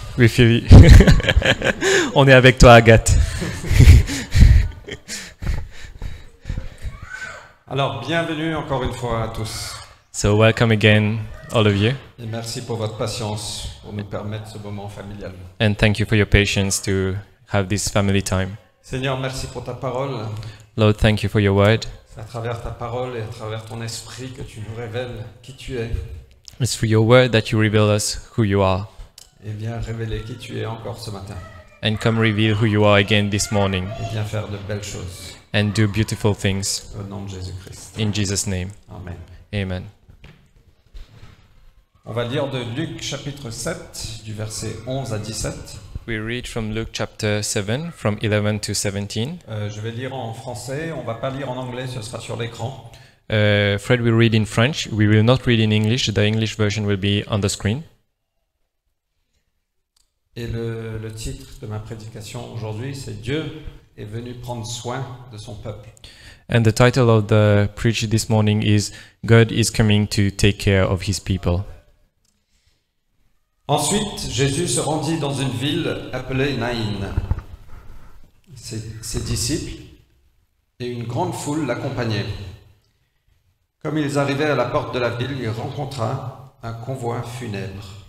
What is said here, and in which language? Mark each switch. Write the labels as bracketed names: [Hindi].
[English] We feel you. [French] On est avec toi, Agathe. Alors, bienvenue encore une fois à tous. [English] So welcome again, all of you. [French] Et merci pour votre patience pour nous permettre ce moment familial. [English] And thank you for your patience to have this family time. [French] Seigneur, merci pour ta parole. [English] Lord, thank you for your word. [French] À travers ta parole et à travers ton esprit que tu nous révèles qui tu es. [English] It's through your word that you reveal us who you are. [French] Et viens révéler qui tu es encore ce matin. [English] And come reveal who you are again this morning. [French] Et viens faire de belles choses. [English] And do beautiful things. [French] Au nom de Jésus-Christ. [English] In Jesus' name. [French] Amen. [English] Amen. [French] On va lire de Luc chapitre 7, du verset 11 à 17. [English] We read from Luke chapter 7, from 11 to 17. [French] Je vais lire en français, on ne va pas lire en anglais, ce sera sur l'écran. [English] Fred will read in French, we will not read in English, the English version will be on the screen. [French] Et le titre de ma prédication aujourd'hui, c'est Dieu est venu prendre soin de son peuple. [English] And the title of the preach this morning is God is coming to take care of his people. [French] Ensuite, Jésus se rendit dans une ville appelée Naïn. Ses disciples et une grande foule l'accompagnaient. Comme ils arrivaient à la porte de la ville, il rencontra un convoi funèbre.